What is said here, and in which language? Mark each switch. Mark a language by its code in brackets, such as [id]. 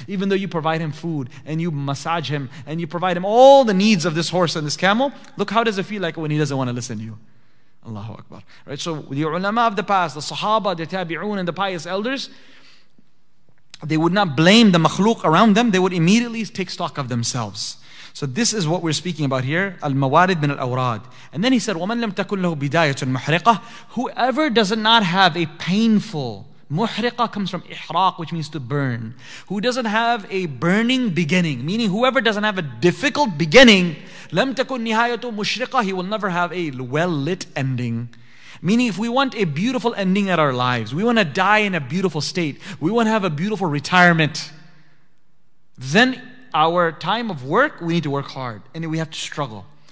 [en] Even though you provide him food, and you massage him, and you provide him all the needs of this horse and this camel, look, how does it feel like when he doesn't want to listen to you? Allahu Akbar. Right? So the ulama of the past, the sahaba, the tabi'un, and the pious elders, they would not blame the makhluk around them. They would immediately take stock of themselves. So this is what we're speaking about here. [ar] Al-mawarid bin al-awrad. [en] And then he said, [ar] وَمَنْ لَمْ تَكُنْ لَهُ بِدَايَةٌ مُحْرِقَةٌ. [en] Whoever does not have a painful, muhriqa comes from ihraq, which means to burn. Who doesn't have a burning beginning, meaning whoever doesn't have a difficult beginning, [ar] لَمْ تَكُنْ نِهَايَةُ مُشْرِقَةٌ. [en] He will never have a well-lit ending. Meaning if we want a beautiful ending at our lives, we want to die in a beautiful state, we want to have a beautiful retirement, then our time of work, we need to work hard and we have to struggle.